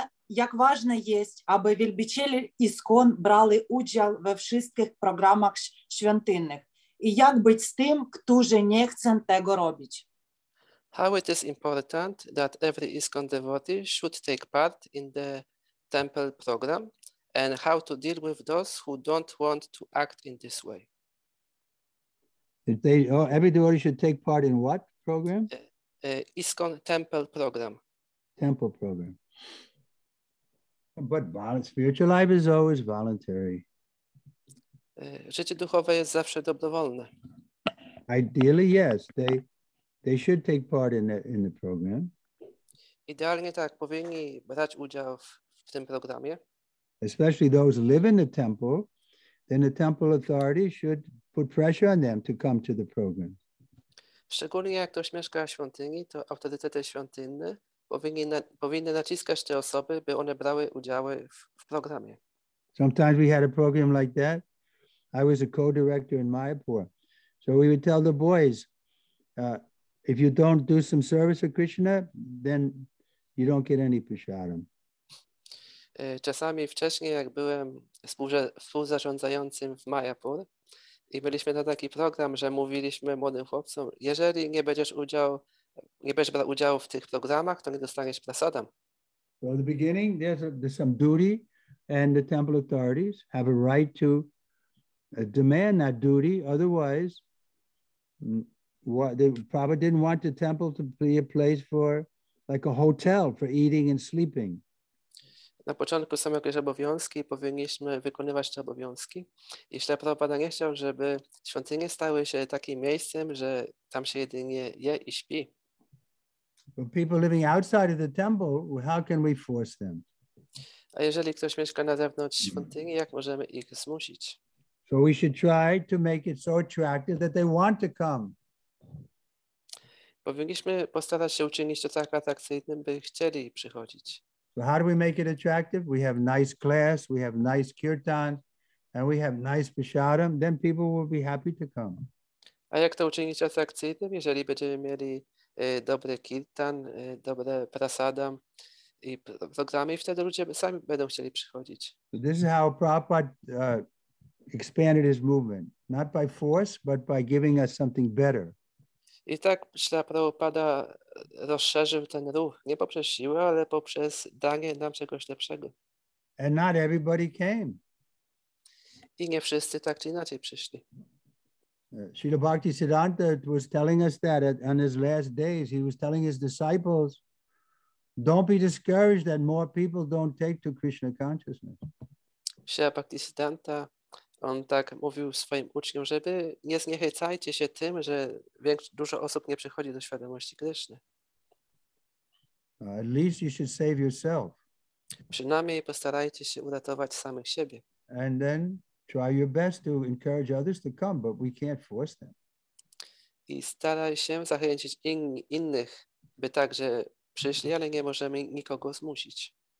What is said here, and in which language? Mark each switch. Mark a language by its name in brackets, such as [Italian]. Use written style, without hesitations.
[Polish] Jak ważne jest, aby wielbiciele ISKCON brali udział we wszystkich programach świątynnych? I jak być z tym, którzy nie chcą tego robić? [English] How it is important that every ISKCON devotee should take part in the temple program and how to deal with those who don't want to act in this way. Every devotee should take part in what program? ISKCON temple program. Temple program. But spiritual life is always voluntary. [Polish] Życie duchowe jest zawsze dobrowolne. [English] Ideally, yes. They should take part in the program. [Polish] Idealnie tak, powinni brać udział w tym programie. [English] Especially those who live in the temple, then the temple authority should put pressure on them to come to the program. [Polish] Szczególnie jak ktoś mieszka w świątyni, to autorytety świątynne powinny naciskać te osoby, by one brały udział w programie. [English] Sometimes we had a program like that. I was a co-director in Mayapur. So we would tell the boys, if you don't do some service for Krishna, then you don't get any prasadam. [Polish] Czasami wcześniej, jak byłem współzarządzającym w Mayapur i byliśmy na taki program, że mówiliśmy młodym chłopcom, jeżeli nie będziesz brał udziału w tych programach, to nie dostaniesz prasadam. [English] So at the beginning, there's some duty and the temple authorities have a right to demand that duty, otherwise they probably didn't want the temple to be a place for like a hotel for eating and sleeping. [Polish] Na początku są jakieś obowiązki, powinniśmy wykonywać te obowiązki. I Śle Prabhupada nie chciał, żeby świątynie stały się takim miejscem, że tam się jedynie je i śpi. [English] But people living outside of the temple, how can we force them? [Polish] A jeżeli ktoś mieszka na zewnątrz świątyni, jak możemy ich zmusić? [English] So we should try to make it so attractive that they want to come. [Polish] Powinniśmy postarać się uczynić to tak atrakcyjnym, by chcieli przychodzić. [English] So how do we make it attractive? We have nice class, we have nice kirtan, and we have nice prasadam, then people will be happy to come. [Polish] A jak to uczynić atrakcyjnym, jeżeli będziemy mieli dobry kirtan, dobre prasadam i programy, wtedy ludzie sami będą chcieli przychodzić. [English] So this is how Prabhupada expanded his movement. Not by force, but by giving us something better. [Polish] I tak Śla Prabhupada rozszerzył ten ruch, nie poprzez siłę, ale poprzez danie nam czegoś lepszego. [English] And not everybody came. [Polish] I nie wszyscy tak czy inaczej przyszli. [English] Śrīla Bhakti Siddhānta was telling us that on his last days, he was telling his disciples, don't be discouraged that more people don't take to Krishna consciousness. [Polish] Śrīla Bhakti Siddhānta, on tak mówił swoim uczniom, żeby nie zniechęcajcie się tym, że dużo osób nie przychodzi do świadomości Kryszny. [English] At least you should save yourself. [Polish] Przynajmniej postarajcie się uratować samych siebie. [English] And then try your best to encourage others to come, but we can't force them. [Polish] I staraj się zachęcić innych, by także przyszli, ale nie możemy nikogo zmusić.